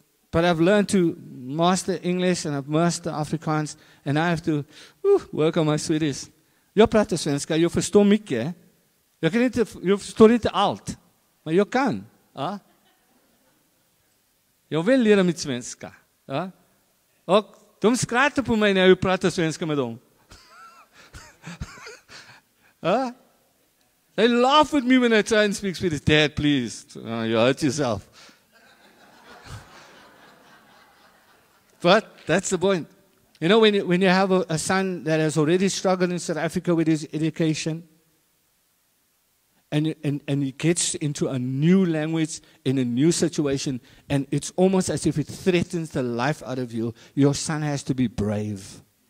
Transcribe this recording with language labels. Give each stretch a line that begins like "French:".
English: But I've learned to master English and I've mastered Afrikaans and I have to work on my Swedish.
Swedish: Jag pratar svenska, jag förstår mycket. Jag kan inte, jag förstår inte allt. Men jag kan. Jag vill lära mig svenska. Och de skrattar på mig när jag pratar svenska med dem.
English: They laugh at me when I try and speak Swedish. Dad, please. You hurt yourself. But that's the point. You know, when you have a son that has already struggled in South Africa with his education, and he gets into a new language in a new situation, and it's almost as if it threatens the life out of you, your son has to be brave.